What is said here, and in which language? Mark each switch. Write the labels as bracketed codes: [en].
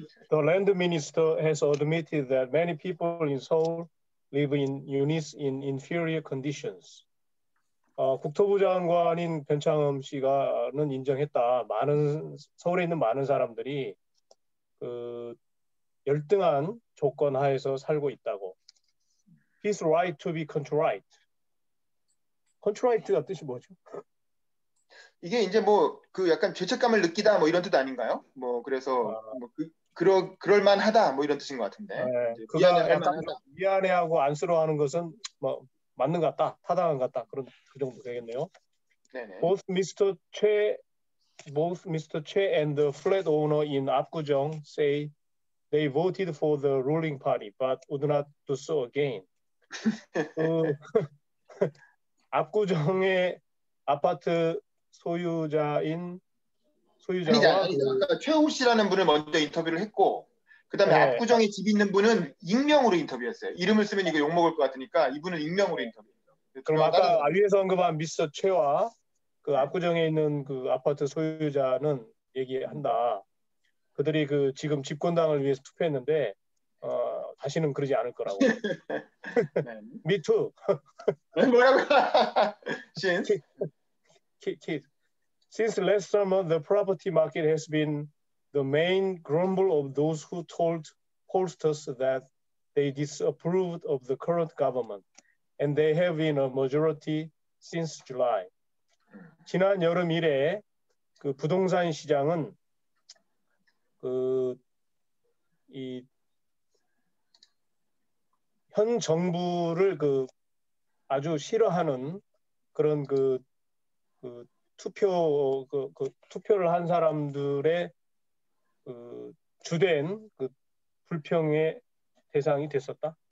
[en] The land minister has admitted that many people in Seoul live in units in inferior conditions. [ko] 국토부 장관인 변창흠 씨가는 인정했다. 많은 서울에 있는 많은 사람들이 그 열등한 조건 하에서 살고 있다고. [en] His right to be contrite. [ko] Contrite가 뜻이 뭐죠? 이게 이제 뭐 그 약간 죄책감을 느끼다 뭐 이런 뜻 아닌가요? 뭐 그래서 그럴 만하다 뭐 이런 뜻인 것 같은데. 네, 미안해하고 안쓰러워하는 것은 뭐 맞는 것 같다, 타당한 것 같다 그런 그 정도 되겠네요. 네네. [en] Both Mr. Che and the flat owner in Apgujeong say they voted for the ruling party but would not do so again. [ko] 압구정의 아파트 소유자인 아니죠. 최호 씨라는 분을 먼저 인터뷰를 했고 그다음에 네. 압구정에 집 있는 분은 익명으로 인터뷰했어요. 이름을 쓰면 이거 욕먹을 것 같으니까 이분은 익명으로 인터뷰했어요. 그럼 아까 위에서 언급한 미스터 최와 그 압구정에 있는 그 아파트 소유자는 얘기한다. 그들이 그 지금 집권당을 위해서 투표했는데 다시는 그러지 않을 거라고. [en] 미투. [ko] 뭐라고? 신? [en] Kid. Since last summer, the property market has been the main grumble of those who told pollsters that they disapproved of the current government, and they have been a majority since July. [ko] 지난 여름 이래 그 부동산 시장은 그 이 현 정부를 그 아주 싫어하는 그런 그 투표 그 투표를 한 사람들의 그 주된 그 불평의 대상이 됐었다.